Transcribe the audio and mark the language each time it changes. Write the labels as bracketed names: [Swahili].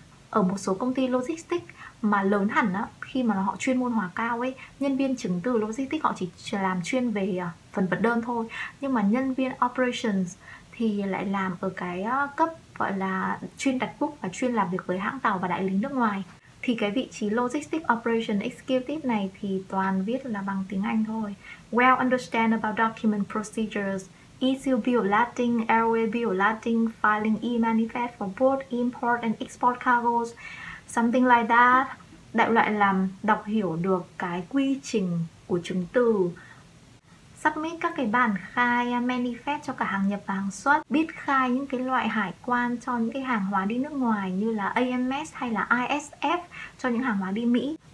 [Vietnamese] Ở một số công ty Logistics mà lớn hẳn á, khi mà họ chuyên môn hóa cao ấy, nhân viên chứng từ Logistics họ chỉ làm chuyên về phần vận đơn thôi, nhưng mà nhân viên Operations thì lại làm ở cái cấp gọi là chuyên đặt book và chuyên làm việc với hãng tàu và đại lý nước ngoài. Thì cái vị trí Logistics Operation Executive này thì toàn viết là bằng tiếng Anh thôi. [English] Well understand about document procedures, issue bill lading, airway bill lading, filing e-manifest for both import and export cargoes, something like that. [Vietnamese] Đại loại là đọc hiểu được cái quy trình của chứng từ, submit các cái bản khai manifest cho cả hàng nhập và hàng xuất, biết khai những cái loại hải quan cho những cái hàng hóa đi nước ngoài như là AMS hay là ISF cho những hàng hóa đi Mỹ.